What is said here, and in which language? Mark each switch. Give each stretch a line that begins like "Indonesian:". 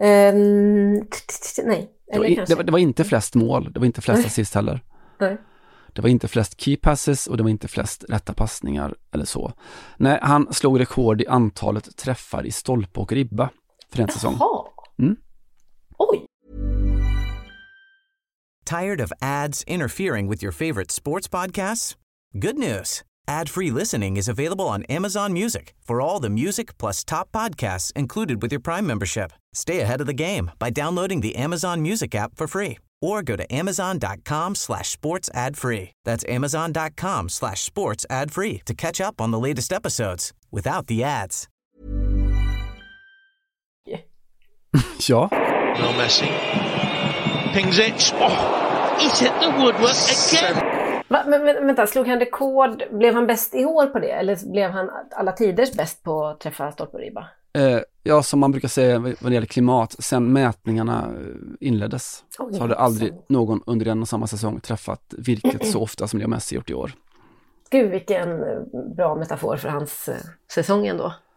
Swedish: Nej. Det var inte flest mål. Det var inte flest assist heller. Nej. Det var inte flest key passes och det var inte flest rätta passningar eller så. Nej, han slog rekord i antalet träffar i stolpe och ribba för en säsong. Jaha! Oj!
English: Tired of ads interfering with your favorite sports podcasts? Good news! Ad-free listening is available on Amazon Music for all the music plus top podcasts included with your Prime membership. Stay ahead of the game by downloading the Amazon Music app for free. Or go to amazon.com/sportsadfree. That's amazon.com/sportsadfree to catch up on the latest episodes without the ads. Yeah. No Messi. Pings it. Oh, he hit the woodwork again.
Swedish: Vänta, slog han rekord? Blev han bäst i år på det? Eller blev han alla tiders bäst på att träffa stolpe och ribba? Ja, som man brukar säga vad det gäller klimat, sen mätningarna inleddes, oh, så har det aldrig någon under en och samma säsong träffat virket så ofta som Leo Messi gjort i år. Gud, vilken bra metafor för hans säsong ändå.